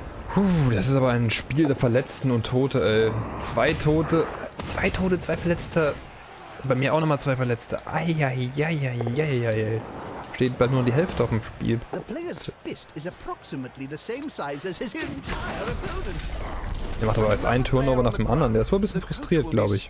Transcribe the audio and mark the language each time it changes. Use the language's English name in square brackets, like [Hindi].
[German] Puh, das ist aber ein Spiel der Verletzten und Tote, ey. Zwei Tote, zwei Verletzte. Bei mir auch nochmal zwei Verletzte. Eieieiei. Steht bald nur die Hälfte auf dem Spiel. [English] The player's fist is approximately the same size as his entire opponent. [German] Der macht aber jetzt einen Turnover nach dem anderen. Der ist wohl ein bisschen frustriert, glaube ich.